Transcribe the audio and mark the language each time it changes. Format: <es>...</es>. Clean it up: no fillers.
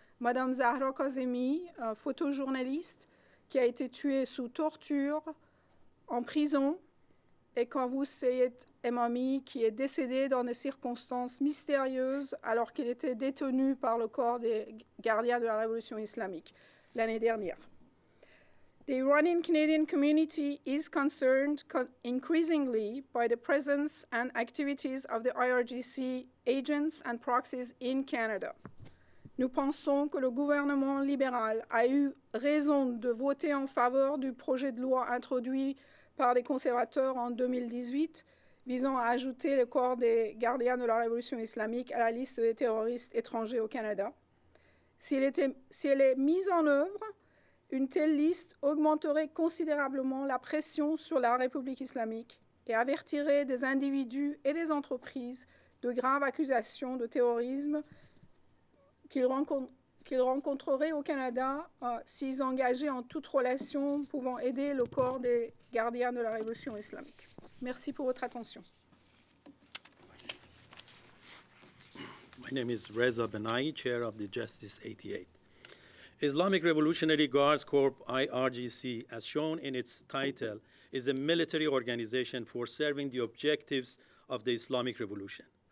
<fr>Madame Zahra Kazemi, photojournaliste, qui a été tuée sous torture en prison, et quand vous Seyed Emami, qui est décédé dans des circonstances mystérieuses alors qu'il était détenu par le corps des gardiens de la Révolution islamique l'année dernière.</fr> <en>The Iranian-Canadian community is concerned increasingly by the presence and activities of the IRGC agents and proxies in Canada.</en> <fr>Nous pensons que le gouvernement libéral a eu raison de voter en faveur du projet de loi introduit par les conservateurs en 2018 visant à ajouter le corps des gardiens de la Révolution islamique à la liste des terroristes étrangers au Canada. Si elle est mise en œuvre, une telle liste augmenterait considérablement la pression sur la République islamique et avertirait des individus et des entreprises de graves accusations de terrorisme qu'ils rencontreraient au Canada s'ils engageaient en toute relation pouvant aider le corps des gardiens de la Révolution islamique. Merci pour votre attention.</fr> <en>My name is Reza B’Nai, chair of the Justice 88. Islamic Revolutionary Guards Corps, IRGC, as shown in its title, is a military organization for serving the objectives of the Islamic Revolution.</en>